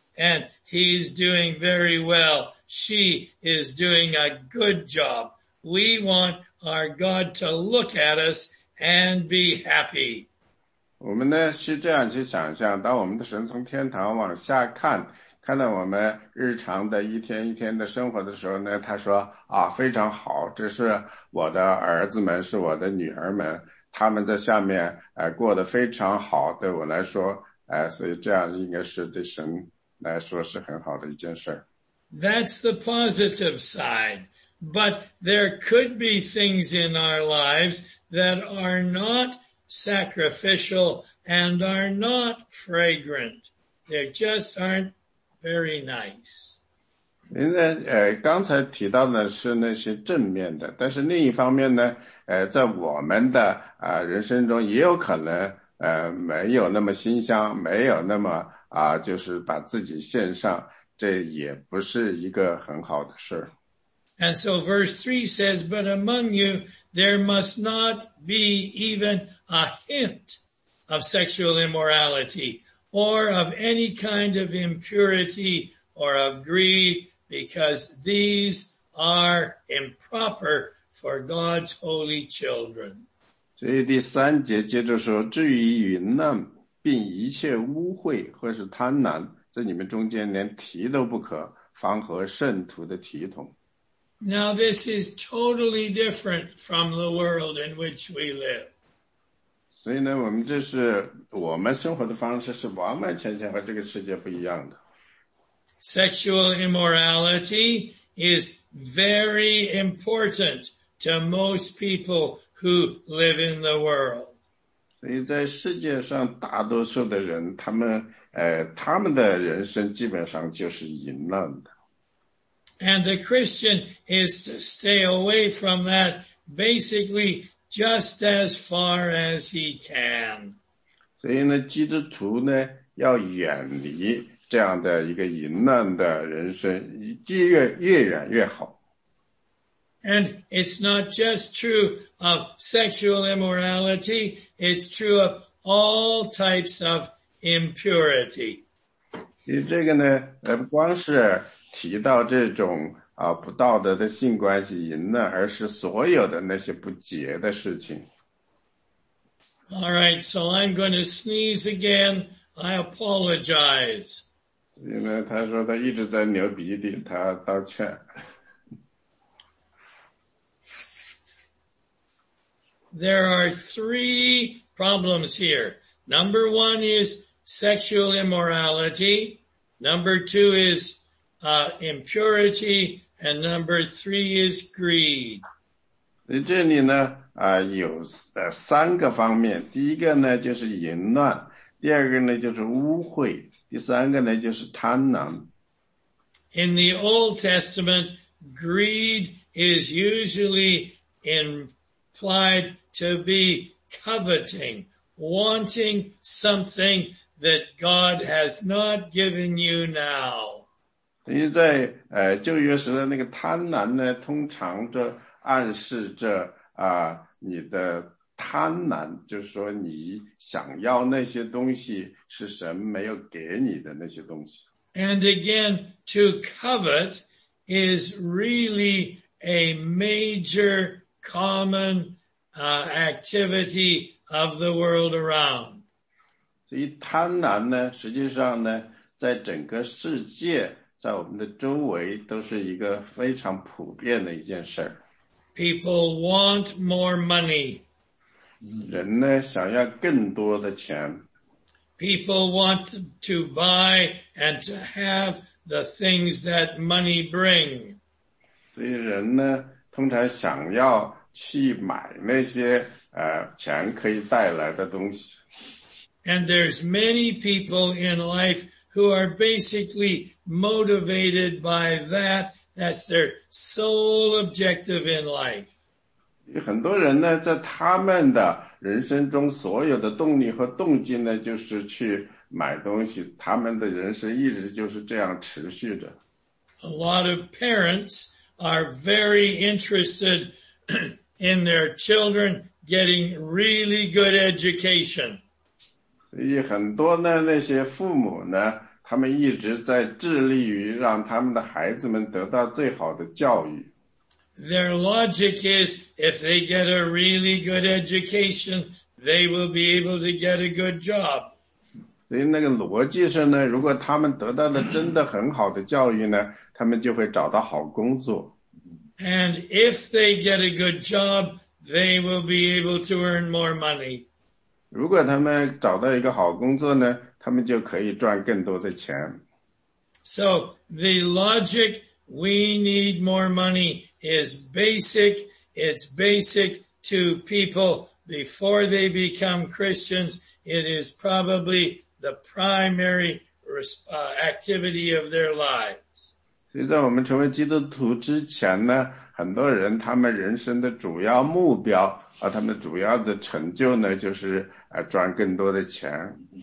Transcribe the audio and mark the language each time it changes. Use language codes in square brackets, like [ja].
[en] And he's doing very well. She is doing a good job. We want our God to look at us and be happy. [zh] 我们呢是这样去想象，当我们的神从天堂往下看，看到我们日常的一天一天的生活的时候呢，他说啊，非常好，这是我的儿子们，是我的女儿们，他们在下面过得非常好，对我来说所以这样应该是对神来说是很好的一件事。 [en] That's the positive side. But there could be things in our lives that are not sacrificial and are not fragrant. They just aren't very nice. [zh] 您呢刚才提到的是那些正面的，但是另一方面呢在我们的人生中也有可能没有那么馨香，没有那么就是把自己献上，这也不是一个很好的事。 [en] And so verse 3 says, but among you, there must not be even a hint of sexual immorality or of any kind of impurity or of greed, because these are improper for God's holy children. [zh] 所以第三节接着说，至于淫乱并一切污秽或是贪婪，在你们中间连提都不可，方合圣徒的体统。 [en] Now this is totally different from the world in which we live. [zh] 所以呢，我们这是我们生活的方式是完完全全和这个世界不一样的。 [en] Sexual immorality is very important to most people who live in the world. [zh] 所以在世界上大多数的人，他们的人生基本上就是淫乱的。 [en] And the Christian is to stay away from that basically just as far as he can. [zh] 所以呢，基督徒呢，要远离这样的一个淫乱的人生，越远越好。 [en] And it's not just true of sexual immorality, it's true of all types of impurity. [zh] 这个呢，不光是提到这种不道德的性关系淫乱，而是所有的那些不洁的事情。 [en] All right, so I'm going to sneeze again. I apologize. [zh] 所以呢，他说他一直在流鼻涕，他道歉。 [en] There are three problems here. Number one is sexual immorality. Number two is impurity. And number three is greed. [zh] 这里呢有三个方面。第一个呢就是淫乱。第二个呢就是污秽。第三个呢就是贪婪。 [en] In the Old Testament, greed is usually implied to be coveting, wanting something that God has not given you now. [zh] 所以在旧约时的那个贪婪呢，通常就暗示着你的贪婪，就是说你想要那些东西是神没有给你的那些东西。 [en] And again, to covet is really a major commonactivity of the world around. [zh] 所以贪婪呢，实际上呢，在整个世界，在我们的周围都是一个非常普遍的一件事。 [en] People want more money. [zh] 人呢，想要更多的钱。 [en] People want to buy and to have the things that money bring. [zh] 所以人呢，通常想要去买那些钱可以带来的东西。 [en] And there's many people in life who are basically motivated by that. That's their sole objective in life. [zh] 很多人呢，在他们的人生中所有的动力和动机呢，就是去买东西。他们的人生一直就是这样持续着。 [en] A lot of parents are very interested in their children getting really good education. [zh] 所以很多呢，那些父母呢，他们一直在致力于让他们的孩子们得到最好的教育。 [en] Their logic is, if they get a really good education, they will be able to get a good job. [zh] 所以那个逻辑是呢，如果他们得到了真的很好的教育呢，他们就会找到好工作。 [en] And if they get a good job, they will be able to earn more money. [zh] 如果他们找到一个好工作呢，他们就可以赚更多的钱。 [en] So the logic We need more money is basic. It's basic to people before they become Christians. It is probably the primary activity of their lives. [zh] 所以在我们成为基督徒之前呢，很多人他们人生的主要目标啊，他们主要的成就呢，就是赚更多的钱。